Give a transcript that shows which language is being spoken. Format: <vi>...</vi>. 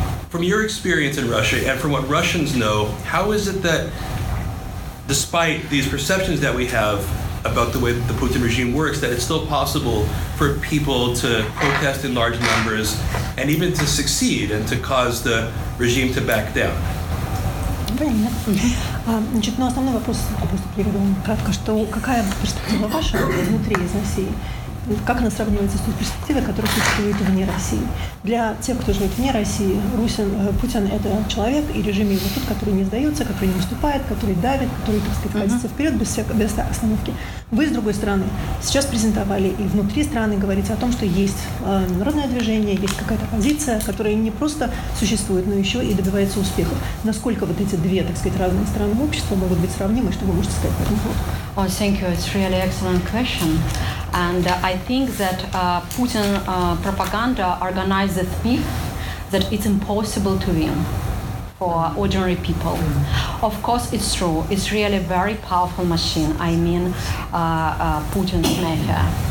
<en>From your experience in Russia, and from what Russians know, how is it that, despite these perceptions that we have about the way that the Putin regime works, that it's still possible for people to protest in large numbers, and even to succeed, and to cause the regime to back down?</en> <ru>Понятно. Значит, ну, основной вопрос, просто приведу вам кратко, что какая перспектива ваша внутри из России? Как она сравнивается с той перспективой, которая существует вне России? Для тех, кто живет вне России, Русин, Путин – это человек и режим его тут, который не сдается, который не выступает, который давит, который, так сказать, катится вперед без всякой, без остановки. Вы, с другой стороны, сейчас презентовали, и внутри страны говорите о том, что есть народное движение, есть какая-то позиция, которая не просто существует, но еще и добивается успеха. Насколько вот эти две, так сказать, разные стороны общества могут быть сравнимы, что вы можете сказать по этому поводу?</ru> <en>Oh, thank you. It's really excellent question. And I think that Putin propaganda organized a myth that it's impossible to win for ordinary people. Of course, it's true. It's really a very powerful machine. I mean, Putin's mafia.</en>